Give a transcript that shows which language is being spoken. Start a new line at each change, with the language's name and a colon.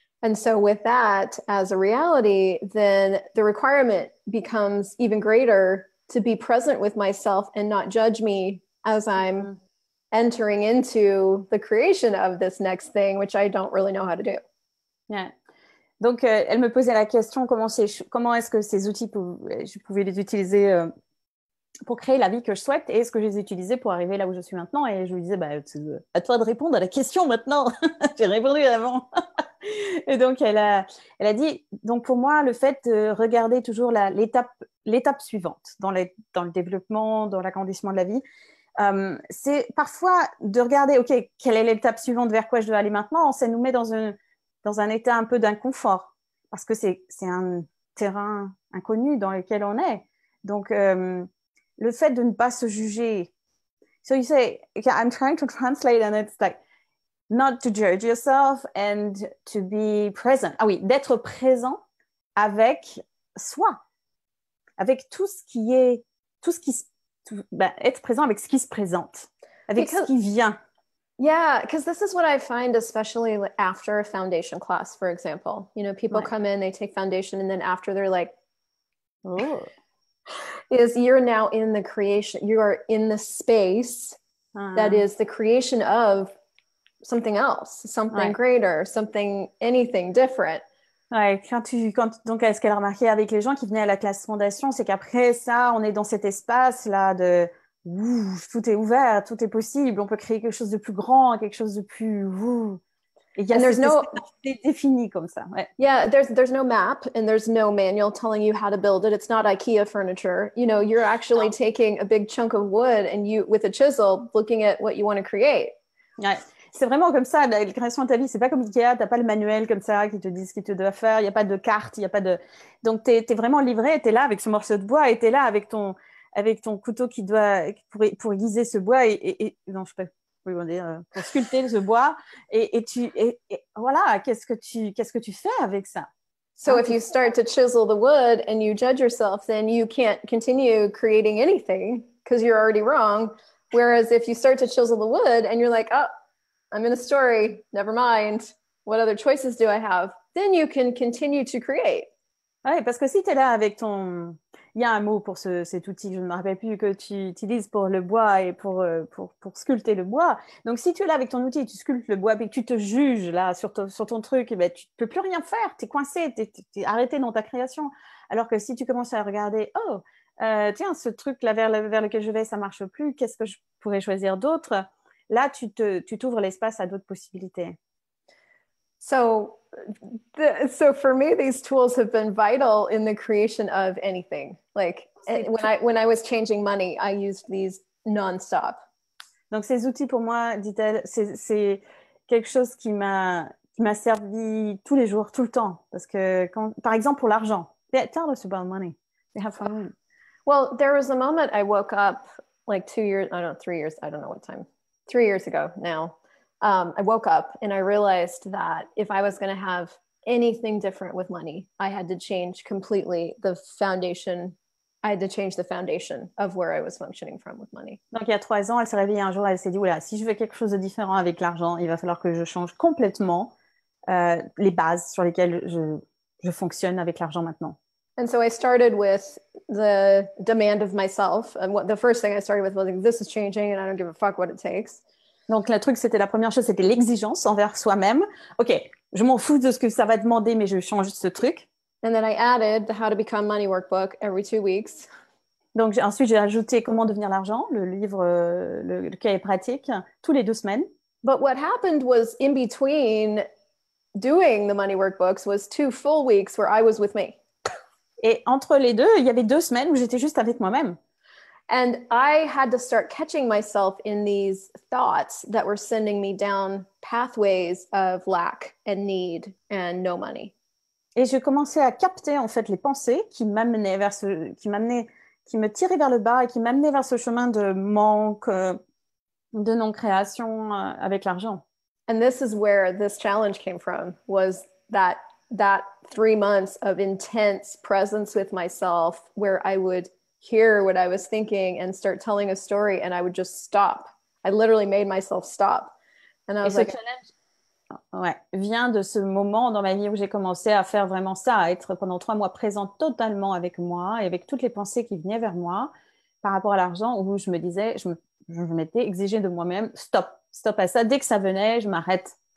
English: And so with that as a reality, then the requirement becomes even greater to be present with myself and not judge me as I'm entering into the creation of this next thing, which I don't really know how to do. Yeah.
French: Donc, elle me posait la question, comment est-ce que ces outils, je pouvais les utiliser pour créer la vie que je souhaite, et est-ce que je les ai utilisés pour arriver là où je suis maintenant? Et je lui disais, bah, à toi de répondre à la question maintenant. J'ai répondu avant. Et donc, elle a dit, donc pour moi, le fait de regarder toujours l'étape suivante dans le développement, dans l'agrandissement de la vie, c'est parfois de regarder, OK, quelle est l'étape suivante, vers quoi je dois aller maintenant? Ça nous met dans un état un peu d'inconfort, parce que c'est un terrain inconnu dans lequel on est. Donc, le fait de ne pas se juger.
English: So you say, okay, I'm trying to translate, and it's like, not to judge yourself and to be present.
French: Ah oui, d'être présent avec soi, avec tout ce qui est, être présent avec ce qui se présente, avec ce qui vient.
English: Yeah, because this is what I find, especially after a foundation class, for example. You know, people come in, they take foundation, and then after they're like, oh, is you're now in the creation, you are in the space that is the creation of something else, something greater, something, anything different.
French: Ouais, quand ce qu'elle a remarqué avec les gens qui venaient à la classe fondation, c'est qu'après ça, on est dans cet espace-là de... Ouh, tout est ouvert, tout est possible, on peut créer quelque chose de plus grand, quelque chose de plus ouh. Et il y a c'est défini comme ça. Ouais.
English: Yeah, there's no map and there's no manual telling you how to build it. It's not IKEA furniture. You know, you're actually taking a big chunk of wood and you with a chisel looking at what you want to create.
French: Ouais. C'est vraiment comme ça, la création de ta vie, c'est pas comme IKEA, t'as pas le manuel comme ça qui te dit ce que tu dois faire, il y a pas de carte, il y a pas de... Donc t'es vraiment livré, t'es là avec ce morceau de bois, et t'es là avec ton... Avec ton couteau qui doit pour aiguiser ce bois et non je peux pas vous dire pour sculpter ce bois et voilà qu'est-ce que tu fais avec ça.
English: So if you start to chisel the wood and you judge yourself, then you can't continue creating anything because you're already wrong. Whereas if you start to chisel the wood and you're like, oh, I'm in a story, never mind. What other choices do I have? Then you can continue to create.
French: Ouais, parce que si t'es là avec ton... Il y a un mot pour cet outil, je ne me rappelle plus, que tu utilises pour le bois et pour sculpter le bois. Donc, si tu es là avec ton outil, tu sculptes le bois, puis tu te juges là sur ton truc, et bien, tu ne peux plus rien faire, tu es coincé, tu es arrêté dans ta création. Alors que si tu commences à regarder, tiens, ce truc-là vers lequel je vais, ça ne marche plus, qu'est-ce que je pourrais choisir d'autre? Là, tu t'ouvres l'espace à d'autres possibilités.
English: So for me, these tools have been vital in the creation of anything. Like when I was changing money, I used these nonstop.
French: Donc ces outils pour moi, dit-elle, c'est quelque chose qui m'a servi tous les jours, tout le temps. Parce que quand, par exemple, pour l'argent,
English: tell us about money. They have fun. Well, there was a moment I woke up like 2 years, I don't know, 3 years, I don't know what time, 3 years ago now. I woke up and I realized that if I was going to have anything different with money, I had to change completely the foundation. I had to change the foundation of where I was functioning from with money.
French: Donc il y a 3 ans, elle s'est réveillée un jour, elle s'est dit, oula, si je veux quelque chose de différent avec l'argent, il va falloir que je change complètement les bases sur lesquelles je fonctionne avec l'argent maintenant.
English: And so I started with the demand of myself. And the first thing I started with was like, this is changing and I don't give a fuck what it takes.
French: Donc, le truc, c'était la première chose, c'était l'exigence envers soi-même. OK, je m'en fous de ce que ça va demander, mais je change ce truc.
English: And then I added the How to Become Money workbook every 2 weeks.
French: Donc, ensuite, j'ai ajouté Comment devenir l'argent, le livre, le cahier pratique, tous les 2 semaines.
English: But what happened was, in between doing the money workbooks, was 2 full weeks where I was with me.
French: Et entre les deux, il y avait deux semaines où j'étais juste avec moi-même.
English: And I had to start catching myself in these thoughts that were sending me down pathways of lack and need and no money.
French: Et je commençais à capter en fait les pensées qui m'amenaient vers ce, qui me tiraient vers le bas et qui m'amenaient vers ce chemin de manque, de non-création avec l'argent.
English: And this is where this challenge came from, was that that 3 months of intense presence with myself where I would hear what I was thinking and start telling a story and I would just stop. I literally made myself stop. And I was like...
French: Ouais, vient de ce moment dans ma vie où j'ai commencé à faire vraiment ça, à être pendant 3 mois présente totalement avec moi et avec toutes les pensées qui venaient vers moi par rapport à l'argent, où je me disais, je m'étais exigé de moi-même, stop à ça, dès que ça venait, je m'arrête.